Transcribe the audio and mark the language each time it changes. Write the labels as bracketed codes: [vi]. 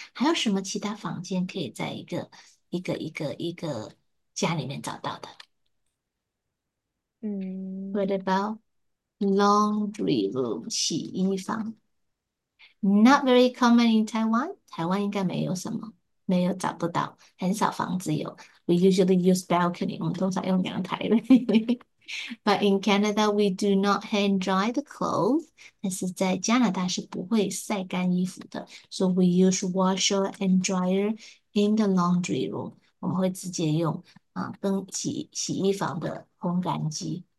[zh] 还有什么其他房间可以在一个家里面找到的？ [en] What about laundry room, 洗衣房？Not very common in Taiwan. [zh] 台湾应该没有什么，没有找不到，很少房子有。 [en] We usually use balcony. [zh] 我们通常用阳台。 [en] But in Canada, we do not hang dry the clothes. [zh] 但是在加拿大是不会晒干衣服的。 [en] So we use washer and dryer in the laundry room. [zh] 我们会直接用洗衣房的烘干机。